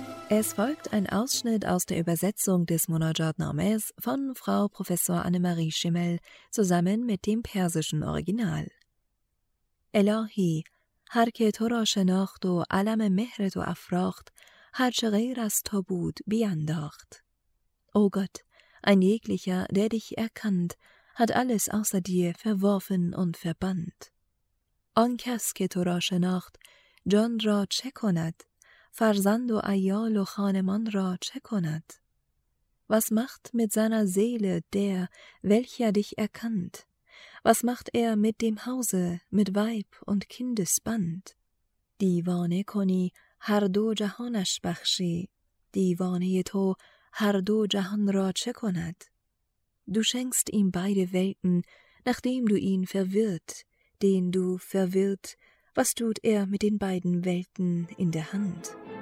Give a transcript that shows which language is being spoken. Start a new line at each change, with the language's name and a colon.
German: Es folgt ein Ausschnitt aus der Übersetzung des Munajat-Namehs von Frau Professor Annemarie Schimmel zusammen mit dem persischen Original.
Persian: Elohi, هر که تو را شناخت و علم مهر تو افراخت، هر چه غیر از تو بود بیانداخت.
German: او گات، ein jeglicher, der dich erkannt, hat alles außer dir verworfen und verbannt.
Persian: آن کس که تو را شناخت، جان را چه کند؟
German: فرزند و ایال و خانمان را چه کند؟ Was macht mit seiner Seele der, welcher dich erkannt؟ Was macht mit dem Hause, mit Weib und Kindesband?
Persian: دیوانه کنی هر دو جهانش بخشی. دیوانه تو هر دو جهان را چه کند؟
German: Du schenkst ihm beide Welten, nachdem du ihn verwirrt. Den du verwirrt, was tut mit den beiden Welten in der Hand?